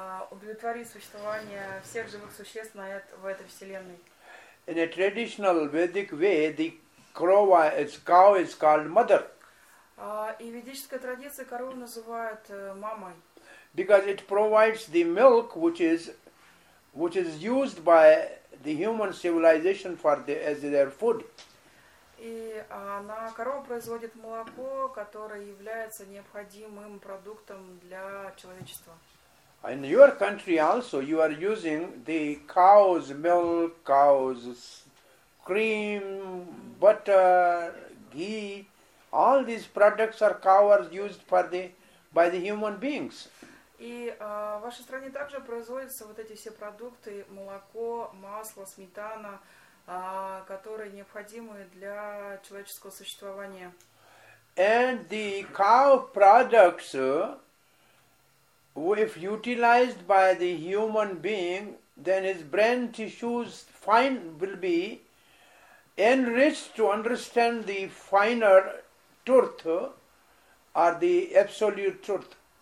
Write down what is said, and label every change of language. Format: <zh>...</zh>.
<ru>удовлетворить существование всех живых существ в этой вселенной.</ru> <en>In a traditional Vedic way, the crow, its cow, is called mother.</en> <ru>И в ведической традиции корову называют мамой.</ru> <en>Because it provides the milk which is used by the human civilization for the, as their food.</en> <ru>И она корова производит молоко, которое является необходимым продуктом для человечества.</ru> <en>In your country also you are using the cow's milk, cow's cream, butter, ghee. All these products are cow are used for the by the human beings.</en> <ru>И в вашей стране также производятся вот эти все продукты, молоко, масло, сметана, которые необходимы для человеческого существования.</ru> <en>And the cow products, if utilized by the human being, then his brain tissues fine will be enriched to understand the finer truth or the absolute truth.</en>